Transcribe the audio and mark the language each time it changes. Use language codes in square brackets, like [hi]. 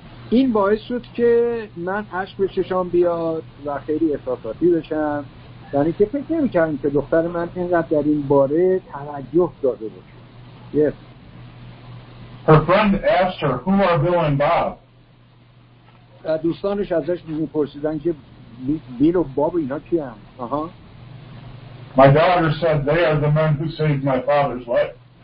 [fa] این باعث شد که من اشک به چشام بیاد و خیلی احساساتی بشم. یعنی که فکر نمی‌کردم که دختر من اینقدر در این باره توجه داده باشه. [en] Yes. Her friend asked her, "Who are Bill and Bob?" [fa] دوستانش ازش می‌پرسیدن که بیل و باب اینا کی هم. [en] My daughter said they are the men who saved my father's life.